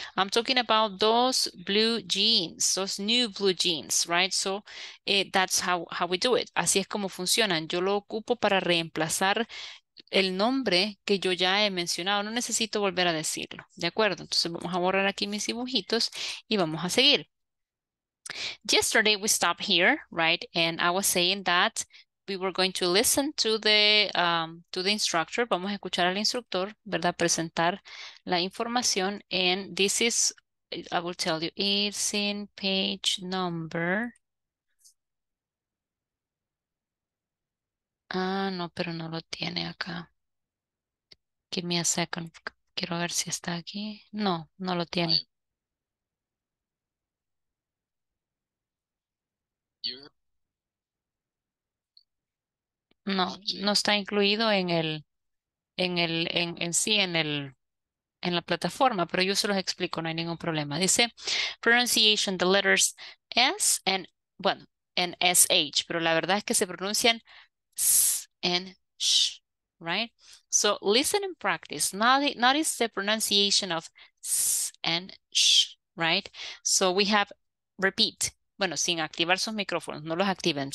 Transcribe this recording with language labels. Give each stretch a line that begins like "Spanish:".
English: I'm talking about those blue jeans, those new blue jeans, right? So that's how we do it.
Spanish: Así es como funcionan. Yo lo ocupo para reemplazar el nombre que yo ya he mencionado. No necesito volver a decirlo. ¿De acuerdo? Entonces vamos a borrar aquí mis dibujitos y vamos a seguir.
English: Yesterday we stopped here, right? And I was saying that we were going to listen to the instructor.
Spanish: Vamos a escuchar al instructor, ¿verdad? Presentar la información.
English: And this is I will tell you, it's in page number.
Spanish: Ah, no, pero no lo tiene acá.
English: Give me a second.
Spanish: Quiero ver si está aquí. No, no lo tiene. No, no está incluido en la plataforma, pero yo se los explico, no hay ningún problema. Dice
English: pronunciation, the letters S and,
Spanish: bueno, and SH, pero la verdad es que se pronuncian
English: S and SH, right? So listen and practice. Notice the pronunciation of S and SH, right? So we have repeat.
Spanish: Bueno, sin activar sus micrófonos, no los activen.